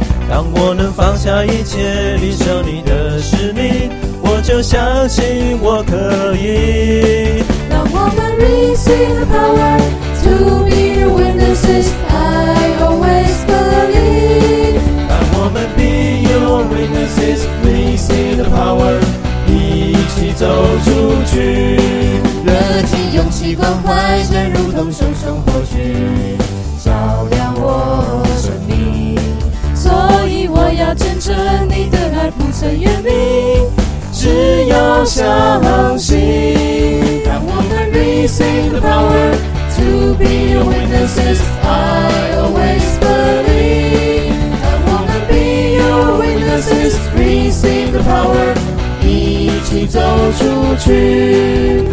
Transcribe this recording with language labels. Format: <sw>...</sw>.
<zh>当我能放下一切，领受你的使命，我就相信我可以。</zh> <en>Receive the power to be your witnesses, I always believe.</en> <zh>让我们</zh> <en>be your witnesses, receive the power,</en> <zh>一起走出去。热情、勇气、关怀，就如同熊熊火炬，照亮我生命。所以我要见证你的爱不曾远离，只要相信。</zh> <en>Receive the power to be your witnesses, I always believe. I wanna be your witnesses, receive the power,</en> <zh>一起走出去。</zh>